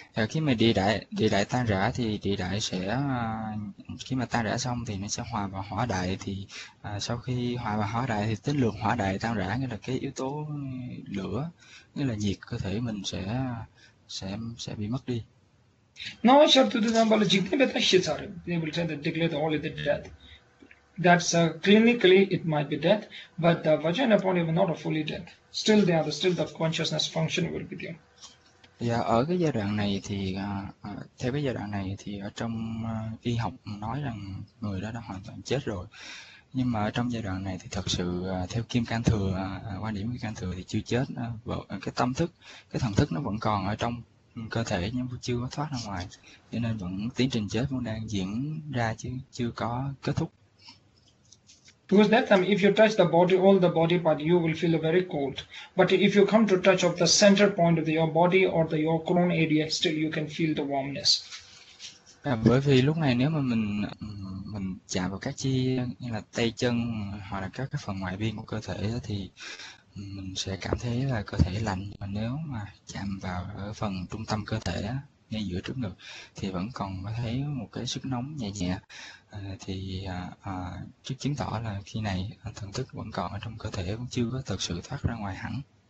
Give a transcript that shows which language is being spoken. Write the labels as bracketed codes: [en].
[vi] Khi mà địa đại tan rã thì địa đại sẽ khi mà tan rã xong thì nó sẽ hòa vào hỏa đại, thì sau khi hòa vào hỏa đại thì tính lượng hỏa đại tan rã, nghĩa là cái yếu tố lửa, nghĩa là nhiệt cơ thể mình sẽ bị mất đi. [en] No, sir, to the example, [bo] jigne beta shi sare, [en] they will say that declare all the death. That's clinically it might be death, but the vajana point is not a fully death. Still there, still the consciousness function will be there. [vi] Dạ, ở cái giai đoạn này thì theo cái giai đoạn này thì ở trong y học nói rằng người đó đã hoàn toàn chết rồi, nhưng mà ở trong giai đoạn này thì thật sự theo Kim Cang Thừa, quan điểm của Kim Cang Thừa thì chưa chết, cái tâm thức, cái thần thức nó vẫn còn ở trong cơ thể nhưng chưa có thoát ra ngoài, cho nên vẫn tiến trình chết vẫn đang diễn ra chứ chưa có kết thúc. [en] Because that time, if you touch the body, all the body part, you will feel very cold. But if you come to touch of the center point of your body or the your crown area, still you can feel the warmness. [vi] Bởi vì lúc này nếu mà mình chạm vào các chi như là tay chân hoặc là các cái phần ngoại biên của cơ thể đó, thì mình sẽ cảm thấy là cơ thể lạnh. Mà nếu mà chạm vào ở phần trung tâm cơ thể đó, ngay giữa trước ngực thì vẫn còn có thấy một cái sức nóng nhẹ nhẹ, thì trước chứng tỏ là khi này thần thức vẫn còn ở trong cơ thể, vẫn chưa có thực sự thoát ra ngoài hẳn.